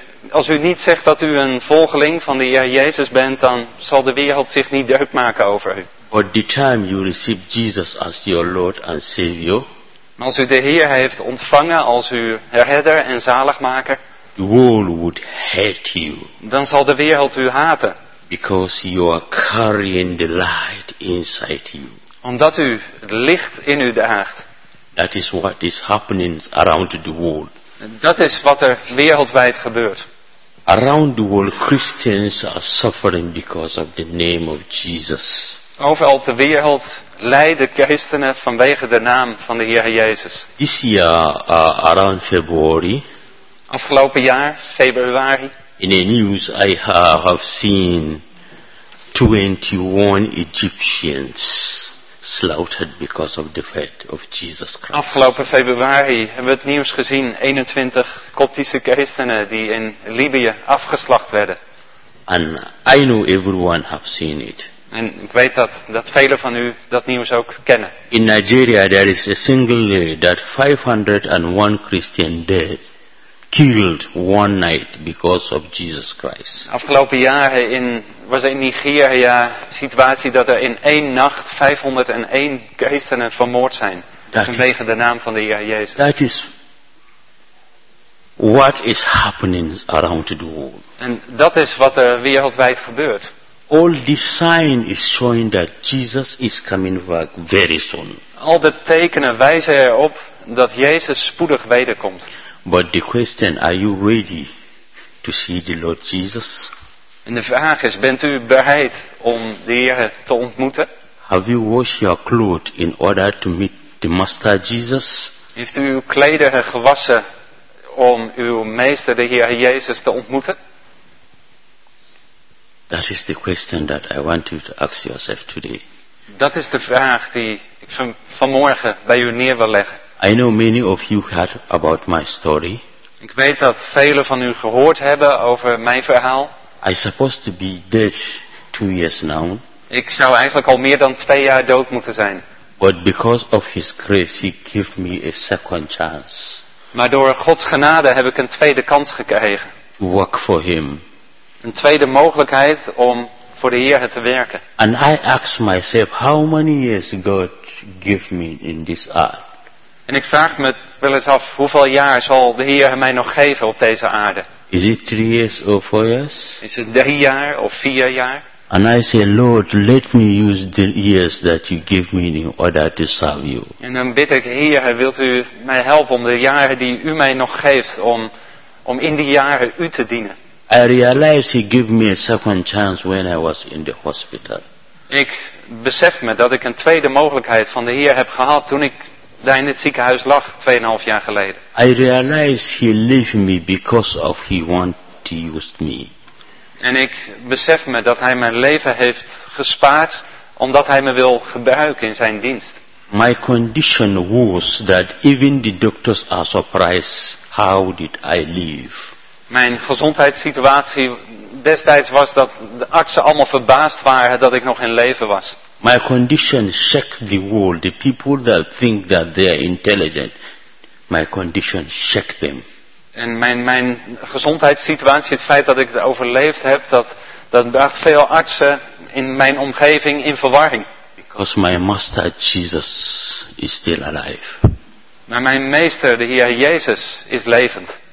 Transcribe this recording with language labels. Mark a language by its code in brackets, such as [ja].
[nl] Als u niet zegt dat u een volgeling van de Heer Jezus bent, dan zal de wereld zich niet druk maken over u. [en] But the time you receive Jesus as your Lord and Savior. [nl] Maar als u de Heer heeft ontvangen als uw redder en zaligmaker. [en] The world would hate you. [nl] Dan zal de wereld u haten. [en] Because you are carrying the light inside you. [nl] Omdat u het licht in u draagt. [en] That is what is happening around the world. [nl] Dat is wat er wereldwijd gebeurt. [en] Around the world, Christians are suffering because of the name of Jesus. [nl] Overal op de wereld lijden christenen vanwege de naam van de Heer Jezus. [en] This year, around February. [nl] Afgelopen jaar, februari. [en] In the news I have seen 21 Egyptians slaughtered because of the faith of Jesus Christ. [nl] Afgelopen februari hebben we het nieuws gezien, 21 Koptische christenen die in Libië afgeslacht werden. [en] And I know everyone have seen it. [nl] En ik weet dat velen van u dat nieuws ook kennen. [en] In Nigeria there is a single day that 501 Christian dead. Killed one night because of Jesus Christ. [nl] Afgelopen jaren was in Nigeria situatie dat er in één nacht 501 christenen vermoord zijn. Vanwege de naam van de Heer Jezus. [en] That is what is happening around the world. [nl] En dat is wat er wereldwijd gebeurt. [en] All the sign is showing that Jesus is coming back very soon. [nl] Al de tekenen wijzen erop dat Jezus spoedig wederkomt. [en] But the question, are you ready to see the Lord Jesus? [nl] En de vraag is, bent u bereid om de Heer te ontmoeten? [en] Have you washed your clothes in order to meet the Master Jesus? [nl] Heeft u uw klederen gewassen om uw meester, de Heer Jezus, te ontmoeten? [en] That is the question that I want you to ask yourself today. [nl] Dat is de vraag die ik vanmorgen bij u neer wil leggen. [en] I know many of you heard about my story. [nl] Ik weet dat velen van u gehoord hebben over mijn verhaal. [en] I supposed to be dead 2 years now. [nl] Ik zou eigenlijk al meer dan 2 jaar dood moeten zijn. [en] But because of his grace, he gave me a second chance. [nl] Maar door Gods genade heb ik een tweede kans gekregen. [en] To work for him. [nl] Een tweede mogelijkheid om voor de Heer te werken. [en] And I asked myself, how many years God gave me in this earth? [nl] En ik vraag me wel eens af, hoeveel jaar zal de Heer mij nog geven op deze aarde? [en] Is it 3 years or 4 years? Is it [nl] 3 jaar of 4 jaar? [en] And I say, Lord, let me use the years that you give me in order to serve you. [nl] En dan bid ik, Heer, wilt u mij helpen om de jaren die u mij nog geeft, om in die jaren u te dienen. [en] I realize he gave me a second chance when I was in the hospital. [nl] Ik besef me dat ik een tweede mogelijkheid van de Heer heb gehad toen ik daar in het ziekenhuis lag 2,5 jaar geleden. [en] I realize he left me because of he wanted to use me. [nl] En ik besef me dat hij mijn leven heeft gespaard omdat hij me wil gebruiken in zijn dienst. [en] My condition was that even the doctors are surprised how did I live. [nl] Mijn gezondheidssituatie destijds was dat de artsen allemaal verbaasd waren dat ik nog in leven was. [en] My condition shocked the world. The people that think that they are intelligent, my condition shocked them. [nl] En mijn gezondheidssituatie, het feit dat ik het overleefd heb, dat bracht veel artsen in mijn omgeving in verwarring. [en] Because my master Jesus is still alive. [nl] Maar mijn meester, de Heer Jezus, is levend.